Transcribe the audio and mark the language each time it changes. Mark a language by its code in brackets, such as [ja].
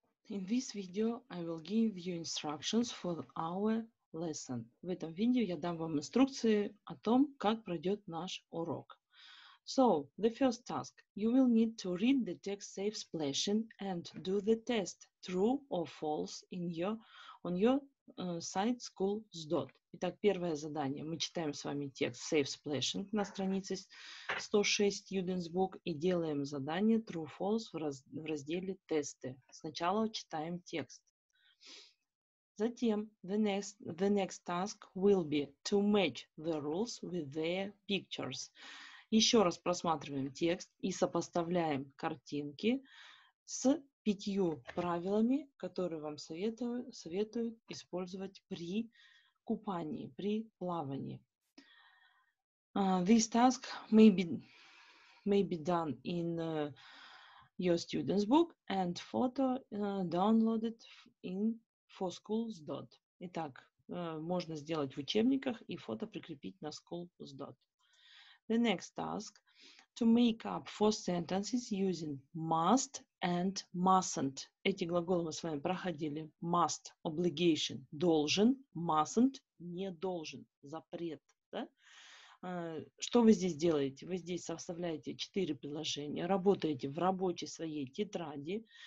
[en] In this video I will give you instructions for our lesson. [ru] В этом видео я дам вам инструкции о том, как пройдет наш урок. [en] So, the first task. You will need to read the text safe splashing and do the test true or false in your on your [ru] сайт [en] schools.dot. [ru] Итак, первое задание. Мы читаем с вами текст Safe Splashing на странице 106 Students Book и делаем задание True-False в разделе Тесты. Сначала читаем текст. Затем [en] the next task will be to match the rules with their pictures. [ru] Еще раз просматриваем текст и сопоставляем картинки с 5 правилами, которые вам советуют использовать при купании, при плавании. [en] This task may be done in your student's book and photo downloaded in forschools.dot. [ru] Итак, можно сделать в учебниках и фото прикрепить на schools.dot. [en] The next task. To make up four sentences using must and mustn't. [ru] Эти глаголы мы с вами проходили. [en] Must – obligation [ru] – должен. Mustn't – не должен. Запрет. Да? Что вы здесь делаете? Вы здесь составляете 4 предложения. Работаете в рабочей своей тетради.